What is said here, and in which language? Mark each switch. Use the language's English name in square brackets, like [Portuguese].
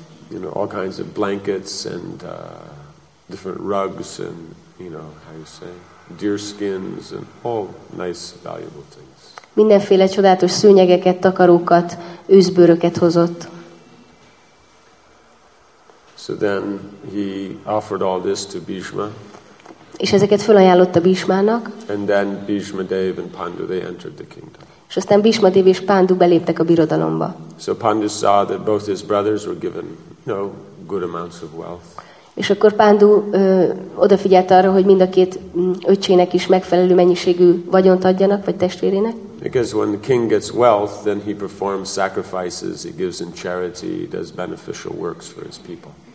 [English] You know, all kinds of blankets and different rugs and, you know, how you say, deer skins and all nice valuable things. [Hungarian] Mindenféle csodálatos szőnyegeket, takarókat, őszbőröket hozott. [English] So then he offered all this to Bhishma. [Hungarian] És ezeket felajánlotta Bhishmának. [English] And then Bhishma Dev and Pandu, they entered the kingdom. [Hungarian] És aztán Bhishma Dev és Pandu beléptek a birodalomba. [English] So Pandu saw that both his brothers were given, you know, good amounts of wealth. [Hungarian] És akkor Pandu odafigyelt arra, hogy mind a két öccsének is megfelelő mennyiségű vagyont adjanak, vagy testvérének. [English] Because when the king gets wealth, then he performs sacrifices, he gives in charity, he does beneficial works for his people.